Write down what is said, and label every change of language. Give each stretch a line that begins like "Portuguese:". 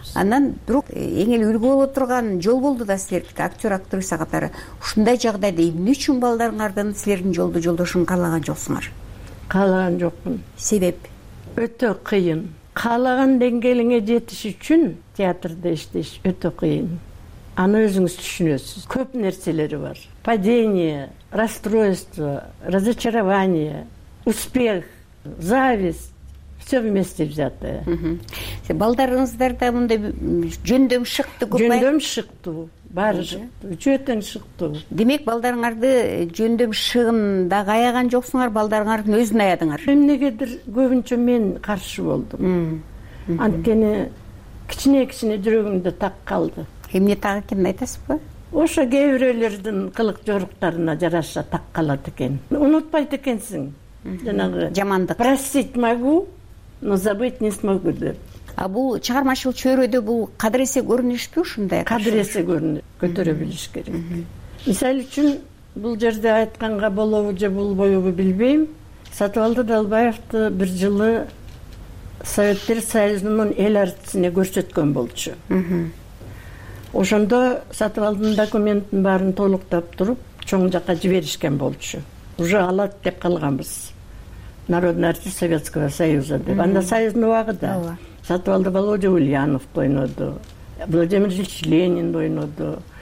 Kyrgyz: Анан бирок эң эле үлгү болуп турган жол болду да силердики актер, актриса катары. Ушундай жагдайда эмне үчүн балдарыңардын силердин жолду жолдошун каалаган жоксуңар? Каалаган жокмун. Себеп? Өтө кыйын. Каалаган деңгээлиңе жетиш үчүн театрда иштеш өтө кыйын. Аны өзүңүз түшүнөсүз. Көп нерселери бар.
Russian: Падение, расстройство, разочарование, успех, зависть. Все вместе взятое.
Kyrgyz: Балдарыңыздарда мындай жөндөм шыктуу көп. Жөндөм шыктуу. Баары шыктуу. Үчөөтөн шыктуу. Демек балдарыңарды жөндөм шыгында аяган жоксуңар, балдарыңардын өзүн аядыңар. Эмнегедир көбүнчө мен каршы болдум. Анткени кичине-кичине жүрөгүмдө так калды. Эмне так экенин айтасызбы? Ошо кээ бирөөлөрдүн кылык жоруктарына жараша так калат экен. Унутпайт экенсиң. Жанагы жамандык.
Russian: Простить могу, но забыть не смогу деп.
Kyrgyz: А бул чыгармачыл чөйрөдө бул кадыресе көрүнүшпү ушундай? Кадыресе көрүнө. Көтөрө билиш керек. Мисалы үчүн бул жерде айтканга болобу же болбойбу билбейм. Сатыбалды Далбаевди бир жылы Советтер Союзунун эл артистине көрсөткөн болчу. Ошондо Сатыбалдын документин баарын толуктап туруп, чоң жака жиберишкен болчу. Уже алат деп калганбыз.
Russian: Народный артист Советского Союза
Kyrgyz: деп. Анда союздун убагы да. Сатыбалды Володя Ульянов ойноду. Владимир Ильич Ленин ойноду.